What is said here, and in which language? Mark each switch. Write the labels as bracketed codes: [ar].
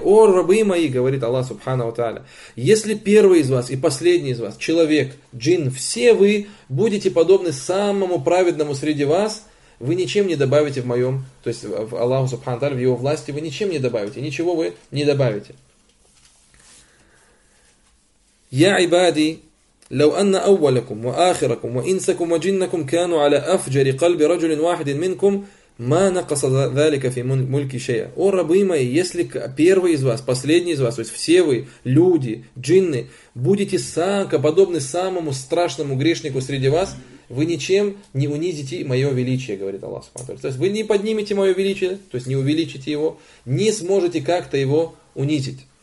[ru] О рабы мои, говорит Аллах субхана ва тааля, если первый из вас и последний из вас, человек, джинн, все вы будете подобны самому праведному среди вас, вы ничем не добавите в моем, то есть в Аллаху субхана ва тааля, в его власти вы ничем не добавите, ничего вы не добавите. [ar] Я ибади لو أن أولكم وآخركم وإنسكم وجنكم كانوا على أفجر قلب رجل واحد منكم ما نقص ذلك في ملك شيء. [ru] О рабы мои, если первый из вас, последний из вас, то есть все вы, люди, джинны, будете подобны самому страшному грешнику среди вас, вы ничем не унизите мое величие, говорит Аллах субхана ва тааля. То есть вы не поднимете мое величие, то есть не увеличите его, не сможете как-то его унизить.